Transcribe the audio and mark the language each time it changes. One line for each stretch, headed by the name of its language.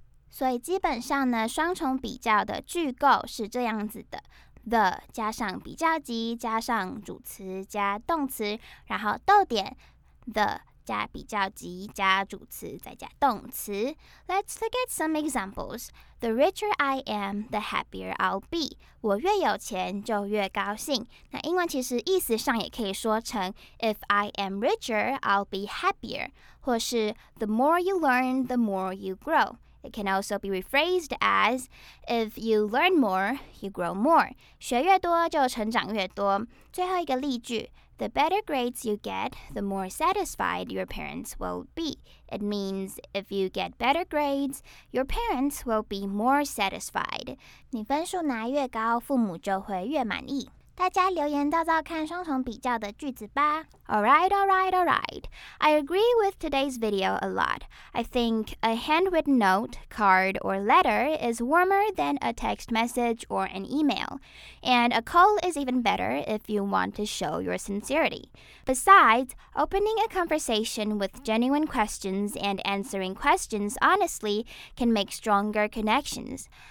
Chinese: 所以基本上呢，双重比较的句构是这样子的 ：the 加上比较级，加上主词加动词，然后逗点 ，the 加比较级加主词再加动词。
English: Let's look at some examples. The richer I am, the happier I'll be.
Chinese: 我越有钱就越高兴。那英文其实意思上也可以说成 ：
English: If I am richer, I'll be happier. 或是 The more you learn, the more you grow. It can also be rephrased as, if you learn more, you grow more.
Chinese: 学越多就成长越多。最后一个例句
English: the better grades you get, the more satisfied your parents will be. It means, if you get better grades, your parents will be more satisfied.
Chinese: 你分数拿越高，父母就会越满意。大家留言照照看双重比较的句子吧。
English: Alright. I agree with today's video a lot. I think a handwritten note, card, or letter is warmer than a text message or an email. And a call is even better if you want to show your sincerity. Besides, opening a conversation with genuine questions and answering questions honestly can make stronger connections.